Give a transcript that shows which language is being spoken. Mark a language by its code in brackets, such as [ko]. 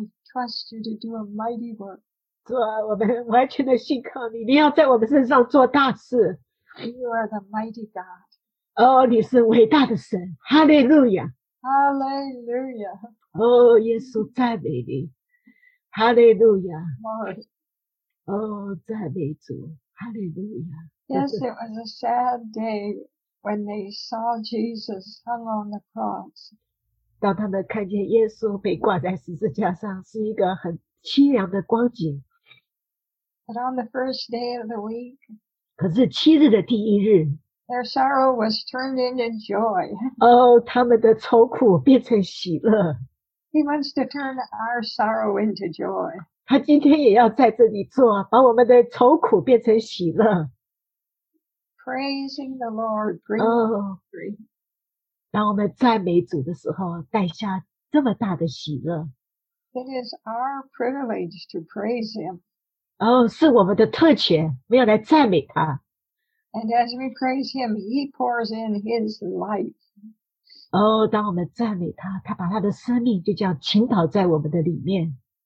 [en] Trust you to do a mighty work. [zh] 主啊，我们完全的信靠你，你要在我们身上做大事。 [en] You are the mighty God. [zh] 哦，你是伟大的神，哈利路亚，哈利路亚。哦，耶稣赞美你，哈利路亚。哦，赞美主，哈利路亚。 [en] Yes, it was a sad day when they saw Jesus hung on the cross. [zh] 当他们看见耶稣被挂在十字架上，是一个很凄凉的光景。 [en] But on the first day of the week, [zh] 可是七日的第一日, [en] their sorrow was turned into joy. [zh] Oh, 他们的愁苦变成喜乐。 [en] He wants to turn our sorrow into joy. [zh] 他今天也要在这里做，把我们的愁苦变成喜乐。 [en] Praising the Lord, bring glory. [zh] 当我们赞美主的时候，带下这么大的喜乐。 [en] It is our privilege to praise Him. [zh] 哦，是我们的特权，我们要来赞美他。 [en] And as we praise him, he pours in his life. [zh] 哦，当我们赞美他，他把他的生命就这样倾倒在我们的里面。